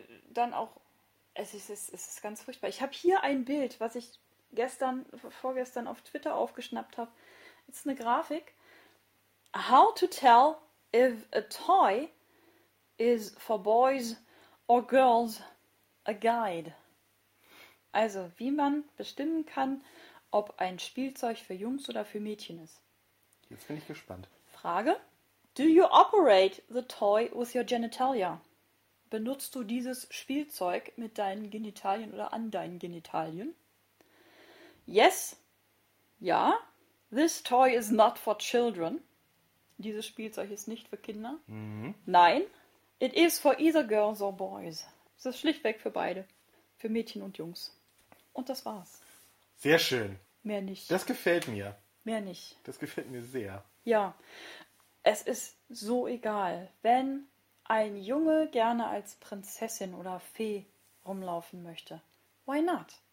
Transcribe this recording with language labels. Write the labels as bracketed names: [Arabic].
[German] Dann auch, es ist ganz furchtbar. Ich habe hier ein Bild, was ich vorgestern auf Twitter aufgeschnappt habe. Es ist eine Grafik. [English] How to tell if a toy is for boys or girls a guide. [German] Also, wie man bestimmen kann, ob ein Spielzeug für Jungs oder für Mädchen ist. Jetzt bin ich gespannt. Frage: [English] Do you operate the toy with your genitalia? [German] benutzt du dieses Spielzeug mit deinen Genitalien oder an deinen Genitalien? [English] Yes, [German] ja, [English] this toy is not for children. [German] Dieses Spielzeug ist nicht für Kinder. Mhm. Nein, [English] it is for either girls or boys. [German] Es ist schlichtweg für beide, für Mädchen und Jungs. Und das war's. Sehr schön. Mehr nicht. Das gefällt mir. Mehr nicht. Das gefällt mir sehr. Ja, es ist so egal, wenn ein Junge gerne als Prinzessin oder Fee rumlaufen möchte. [English] Why not?